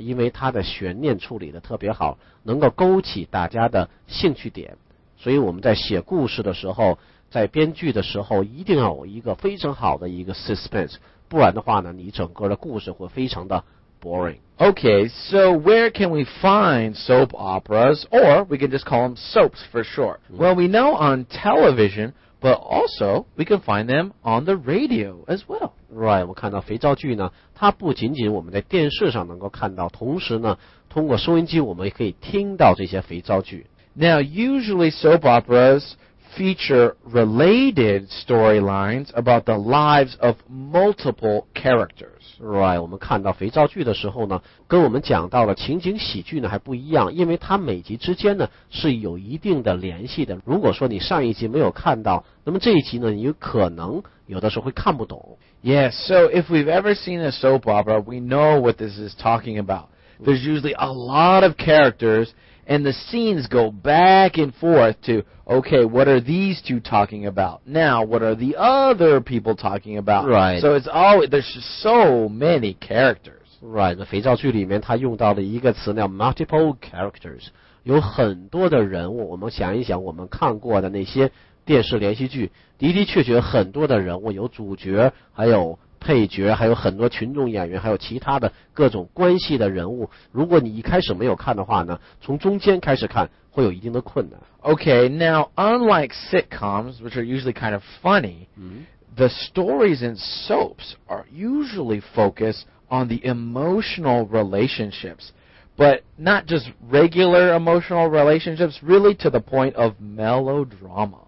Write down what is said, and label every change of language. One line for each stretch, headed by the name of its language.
Chinese: 因为它的悬念处理的特别好，能够勾起大家的兴趣点，所以我们在写故事的时候在编剧的时候一定要有一个非常好的一个 suspense, 不然的话呢你整个的故事会非常的
English: boring. Okay, so where can we find soap operas? Or we can just call them soaps for short. Mm-hmm. Well, we know on television, but also we can find them on the radio as well.
Chinese: Right, 我看到肥皂剧呢，它不仅仅我们在电视上能够看到，同时呢，通过收音机我们也可以听到这些肥皂剧。
English: Now, usually soap operas feature related storylines about the lives of multiple characters.
Chinese: Right, 我们看到肥皂剧的时候呢，跟我们讲到了情景喜剧呢还不一样，因为它每集之间呢是有一定的联系的。如果说你上一集没有看到，那么这一集呢，你可能有的时候会看不懂。
English: Yes, so if we've ever seen a soap opera, we know what this is talking about. There's usually a lot of characters,And the scenes go back and forth to, okay, what are these two talking about? Now, what are the other people talking about? Right. So it's always, there's just so many characters.
Chinese: Right. 那肥皂剧里面它用到的一个词叫
English: multiple characters.
Chinese: 有很多的人物，我们想一想我们看过的那些电视连续剧，的的确确很多的人物，有主角，还有配角，还有很多群众演员，还有其他的各种关系的人物。如果你一开始没有看的话呢，从中间开始看会有一定的困难。
English: Okay, now unlike sitcoms, which are usually kind of funny,、 mm-hmm. the stories in soaps are usually focused on the emotional relationships, but not just regular emotional relationships, really to the point of melodrama.